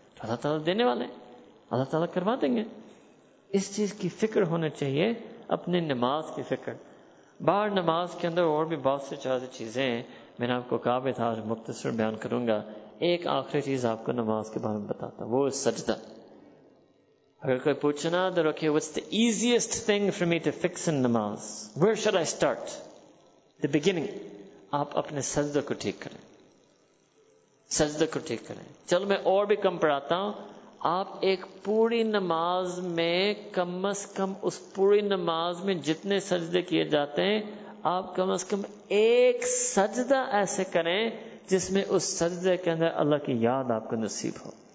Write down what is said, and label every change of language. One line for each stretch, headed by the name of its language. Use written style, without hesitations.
Urdu: اللہ تعالیٰ دینے والے, اللہ تعالیٰ کروا دیں گے. اس چیز کی فکر ہونے چاہیے, اپنی نماز کی فکر. باہر نماز کے اندر اور بھی بہت سے چاہتے چیزیں ہیں, میں نے آپ کو کہا بھی تھا آج مختصر بیان کروں گا. ایک آخری چیز آپ کو نماز کے بارے میں بتاتا ہوں, وہ سجدہ. اگر کوئی پوچھنا تو رکھے
English: What's the easiest thing for me to fix in namaz, where should I start, the beginning.
Urdu: آپ اپنے سجدہ کو ٹھیک کریں, سجدہ کو ٹھیک کریں. چلو میں اور بھی کم پڑھاتا ہوں, آپ ایک پوری نماز میں کم از کم اس پوری نماز میں جتنے سجدے کیے جاتے ہیں آپ کم از کم ایک سجدہ ایسے کریں جس میں اس سجدے کے اندر اللہ کی یاد آپ کو نصیب ہو.